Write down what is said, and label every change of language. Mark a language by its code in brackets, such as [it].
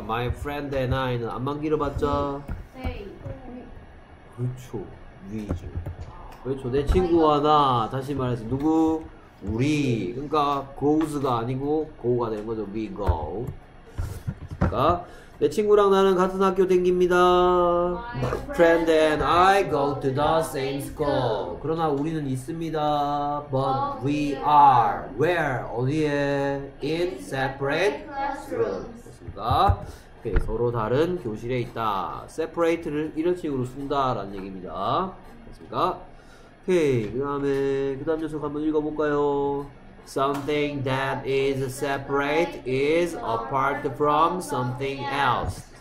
[en] My friend and I [ko] 는 암만 길어봤자 [en] they. [ko] 그렇죠. [en] we [ko] 죠. 그렇죠. 내 친구와 나 다시 말해서 누구? 우리. 그러니까 goes가 아니고 go가 되는 거죠. [en] we go. [ko] 그러니까 내 친구랑 나는 같은 학교 댕깁니다. [en] My friend and I go to the same school. [ko] 그러나 우리는 있습니다. [en] But we are. Where? [ko] 어디에? [en] In separate classrooms. [ko] 됐습니다. 오케이, 서로 다른 교실에 있다. [en] separate [ko] 를 이런 식으로 쓴다라는 얘기입니다. 됐습니까? 오케이, 그 다음 녀석 한번 읽어볼까요? [en] Something that is separate is apart from something else.